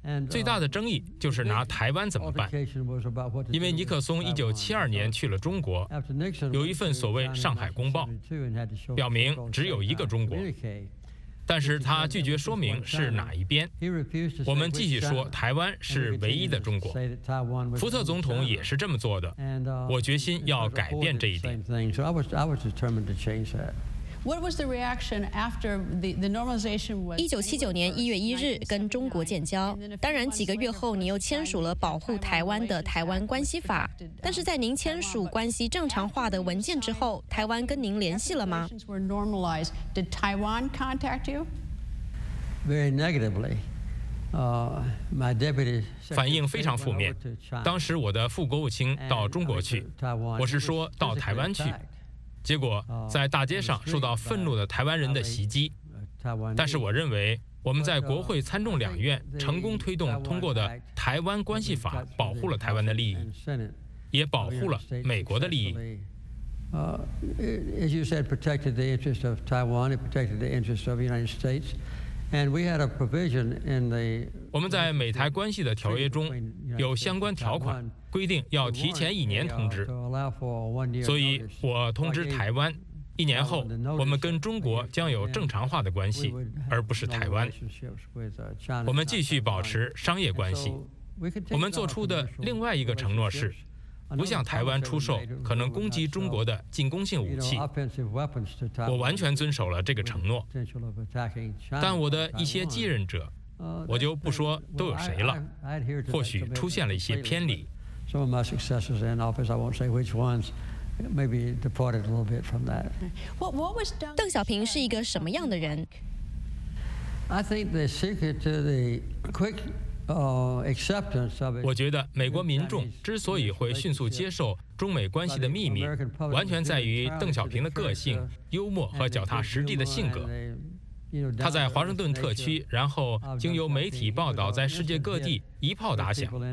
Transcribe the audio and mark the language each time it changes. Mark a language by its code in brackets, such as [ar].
[zh] 最大的争议就是拿台湾怎么办，因为尼克松1972年去了中国，有一份所谓上海公报，表明只有一个中国，但是他拒绝说明是哪一边。我们继续说台湾是唯一的中国，福特总统也是这么做的，我决心要改变这一点。 [en] What was the reaction after the normalization was? [zh] 1979年1月1日跟中国建交，当然几个月后你又签署了保护台湾的台湾关系法。但是在您签署关系正常化的文件之后，台湾跟您联系了吗 ？ [en] Relations were normalized. Did Taiwan contact you? Very negatively. My deputy. [zh] 反应非常负面。当时我的副国务卿到中国去，我是说到台湾去。结果在大街上受到愤怒的台湾人的袭击，但是我认为我们在国会参众两院成功推动通过的台湾关系法保护了台湾的利益，也保护了美国的利益。 [en] As you said, protected the interest of Taiwan, it protected the interest of the United States, and we had a provision in the [zh] 我们在美台关系的条约中有相关条款。规定要提前一年通知，所以我通知台湾，一年后我们跟中国将有正常化的关系，而不是台湾。我们继续保持商业关系。我们做出的另外一个承诺是，不向台湾出售可能攻击中国的进攻性武器。我完全遵守了这个承诺，但我的一些继任者，我就不说都有谁了，或许出现了一些偏离。 [en] Some of my successors in office, I won't say which ones, maybe departed a little bit from that. What was [zh] 邓小平是一个什么样的人 [en] ？I think the secret to the quick acceptance of it. [zh] 我觉得美国民众之所以会迅速接受中美关系的秘密，完全在于邓小平的个性、幽默和脚踏实地的性格。他在华盛顿特区，然后经由媒体报道在世界各地一炮打响。